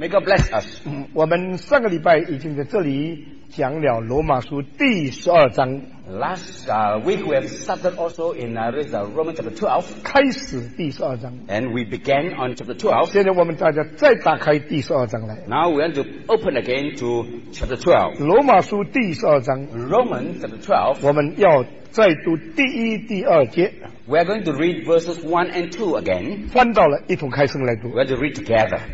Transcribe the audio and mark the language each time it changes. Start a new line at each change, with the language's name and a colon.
English: ，May God bless us！
Chinese: 我们上个礼拜已经在这里讲了罗马书第十二章
English: ，Last week we have started also in Romans chapter 12。
Chinese: 开始第十二章
English: ，And we began on chapter 12。
Chinese: 现在我们大家再打开第十二章来
English: ，Now we want to open again to chapter 12。
Chinese: 罗马书第十二章
English: ，Romans chapter 12。
Chinese: 我们要再读第一、第二节。
English: We are going to read verses 1 and 2 again.
Chinese: 翻到了一同开声来读。
English: We are going to read together.